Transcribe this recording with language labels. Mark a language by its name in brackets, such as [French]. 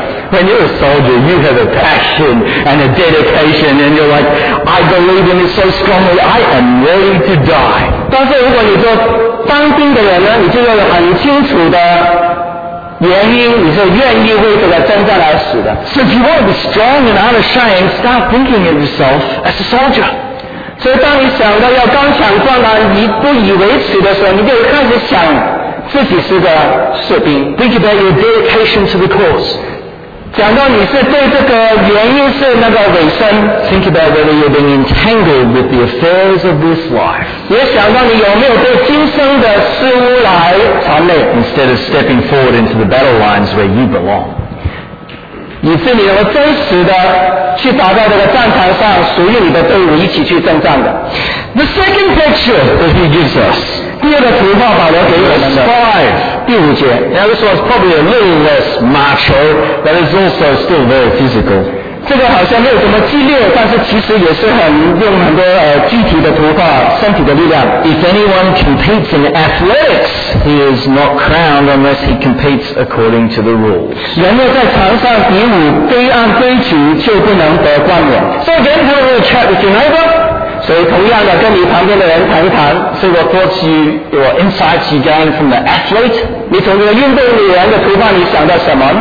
[English] When you're a soldier, you have a passion and a dedication, and you're like, I believe in it so strongly, I am ready to die. [Chinese] 但是如果你做当兵的人呢，你就要很清楚的。原因你是愿意为这个征战来死的。 [English] So if you want to be strong and out of shame, start thinking of yourself as a soldier. [Chinese] 所以当你想到要刚强壮胆以不以为耻的时候，你就开始想自己是个士兵。 [English] Think about your dedication to the cause. [Chinese] 讲到你是对这个原因是那个委身。 [English] Think about whether you've been entangled with the affairs of this life. [Chinese] 也想到你有没有对今生的事物来缠累。 [English] Instead of stepping forward into the battle lines where you belong. [Chinese] 你是你能真实的去打到这个战场上属于你的队伍一起去征战的。 [English] The second picture that he gives us. [Chinese] 第五节, [English] now this one's probably a little less macho, but it's also still very physical. [Chinese] 这个好像没有什么激烈，但是其实也是很用很多具体的图画，身体的力量。 [English] If anyone competes in athletics, he is not crowned unless he competes according to the rules. [Chinese] 人若在场上比武，非按规矩，就不能得冠冕。 [English] So again, have a little chat with your neighbor. [Chinese] 所以同样的，跟你旁边的人谈一谈。 [English] So what thoughts you, what insights you gain from the athlete? [Chinese] 你从这个运动员的图画，你想到什么？